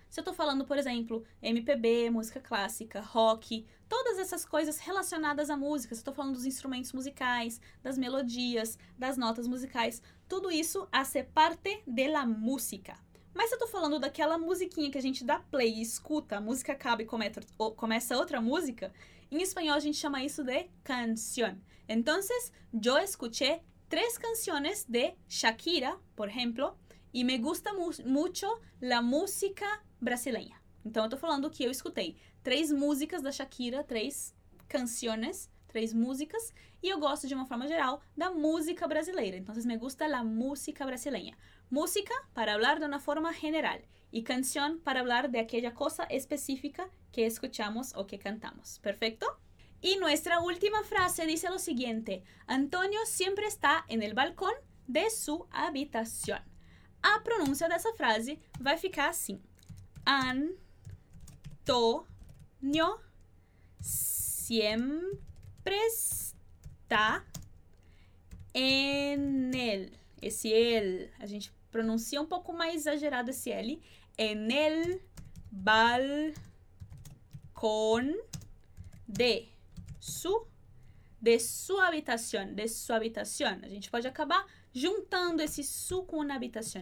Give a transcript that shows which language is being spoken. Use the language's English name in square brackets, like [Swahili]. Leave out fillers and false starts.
[Portuguese] Se eu tô falando, por exemplo, MPB, música clássica, rock, todas essas coisas relacionadas à música, se eu tô falando dos instrumentos musicais, das melodias, das notas musicais, tudo isso [Spanish] hace parte de la música. [Portuguese] Mas se eu tô falando daquela musiquinha que a gente dá play e escuta, a música acaba e começa outra música, em espanhol a gente chama isso de canción. [Spanish] Entonces, yo escuché tres canciones de Shakira, por ejemplo, y me gusta mucho la música brasileña. [Portuguese] Então, eu tô falando que eu escutei três músicas da Shakira, três canciones, três músicas, e eu gosto, de uma forma geral, da música brasileira. [Spanish] Então, me gusta la música brasileña. Música, para hablar de una forma general, y canción, para hablar de aquella cosa específica que escuchamos o que cantamos. ¿Perfecto? Y nuestra última frase dice lo siguiente. Antonio siempre está en el balcón de su habitación. [Portuguese] A pronúncia dessa frase vai ficar assim. [Spanish] Antonio siempre está en el. [Portuguese] Esse el. A gente pronuncia um pouco mais exagerado esse L. [Spanish] En el balcón de. [Portuguese] De sua habitação. A gente pode acabar juntando esse su com uma habitação.